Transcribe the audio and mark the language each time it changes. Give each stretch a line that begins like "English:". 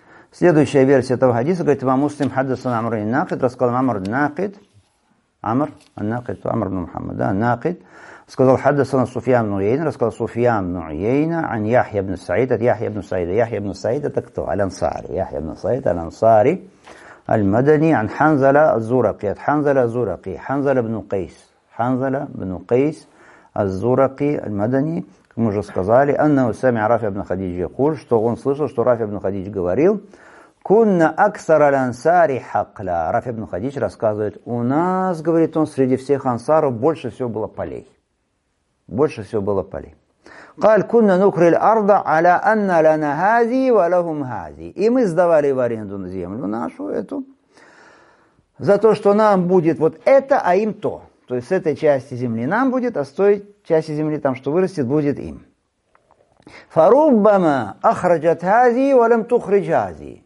Russian: Следующая версия этого хадиса говорит:
Arabic: «Ва муслим хаддасана Амр ибн Накид»,
Russian: рассказал Амр ибн Накид. Амр ибн Накид, Амр ибн Мухаммад, да, Накид. Сказал: «Хаддасана Суфьян ибн Уйейна», рассказал Суфьян ибн Уйейна, «ан Яхья ибн Саид», от Яхья ибн Саида. Яхья ибн Саид это кто? Аль-Ансари. Яхья ибн Саид, Аль-Ансари.
Arabic: المدني عن حنظلة الزرقي. حنظلة الزرقي، حنظلة بن قيس، حنظلة بن قيس الزرقي المدني.
Russian: Мы уже сказали,
Arabic: أنه سمع رافع بن خديج يقول,
Russian: что он слышал, что
Arabic: رافع بن خديج
Russian: говорил,
Arabic: كنا أكثر الأنصار حقلا. رافع بن خديج
Russian: рассказывает, у нас, говорит он, среди всех ансаров больше всего было полей. Больше всего было полей.
Arabic: قال كنا نكري الأرض على أن لنا هذه ولهم هذه.
Russian: И мы сдавали в аренду землю нашу эту за то, что нам будет вот это, а им то. То есть с этой части земли нам будет, а с той части земли там, что вырастет, будет им.
Arabic: فَرُبَّمَا أَخْرَجَتْ هَذِي وَلَمْ تُخْرِجْ هَذِي.